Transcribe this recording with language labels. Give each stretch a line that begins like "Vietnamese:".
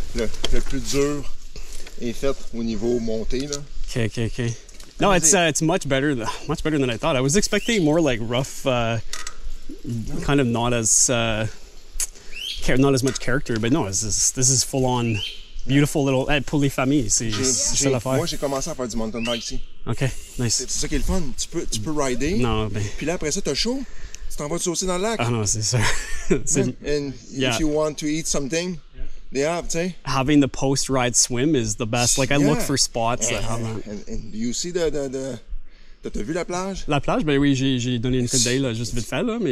French: Le plus dur est fait au niveau monté, là. OK.
English: No, it's much better than I thought. I was expecting more like rough, kind of not as much character. But no, this is full on beautiful little
French: pour les familles. C'est la fête. Moi, j'ai commencé à faire du mountain bike ici.
English: Okay, nice.
French: C'est ça qui est le fun. Tu peux rider. No, mais. Puis là après ça, t'as chaud. Tu t'en vas aussi dans le lac. Ah non, c'est ça.
English: And if you want to eat something. Yeah, t'sais. Having the post ride swim is the best. Like I look for spots that have that. And do you see the
French: t'as vu la plage? La plage, ben oui, j'ai donné une coupe d'ail là, juste vite fait là, mais